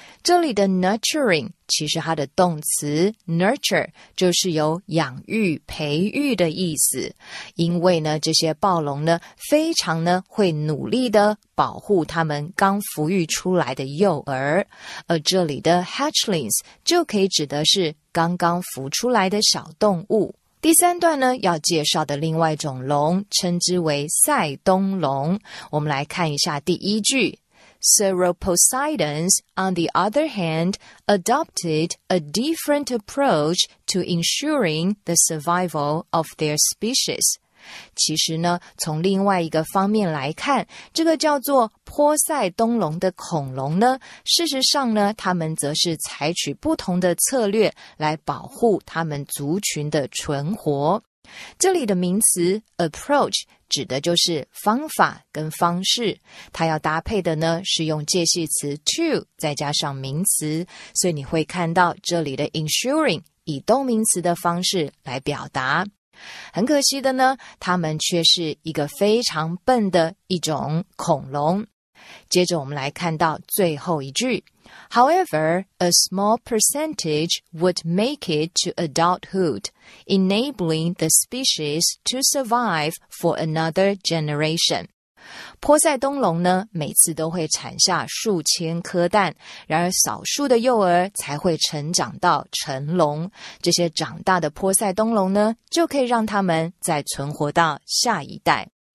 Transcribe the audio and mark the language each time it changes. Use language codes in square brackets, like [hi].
[zh] 这里的 nurturing其实它的动词 nurture 就是有养育培育的意思，因为呢这些暴龙呢非常呢会努力的保护他们刚孵育出来的幼儿，而这里的 hatchlings 就可以指的是刚刚孵出来的小动物。第三段呢要介绍的另外一种龙称之为塞东龙，我们来看一下第一句。 [en] Sauroposeidons, on the other hand, adopted a different approach to ensuring the survival of their species. [zh] 其实呢，从另外一个方面来看，这个叫做波塞冬龙的恐龙呢，事实上呢，他们则是采取不同的策略来保护他们族群的存活。这里的名词 approach 指的就是方法跟方式，它要搭配的呢是用介系词 to 再加上名词，所以你会看到这里的 ensuring 以动名词的方式来表达。很可惜的呢，它们却是一个非常笨的一种恐龙。接着我们来看到最后一句， [en] However, a small percentage would make it to adulthood, enabling the species to survive for another generation. [zh] 波塞冬龙呢，每次都会产下数千颗蛋，然而少数的幼儿才会成长到成龙。这些长大的波塞冬龙呢，就可以让它们再存活到下一代。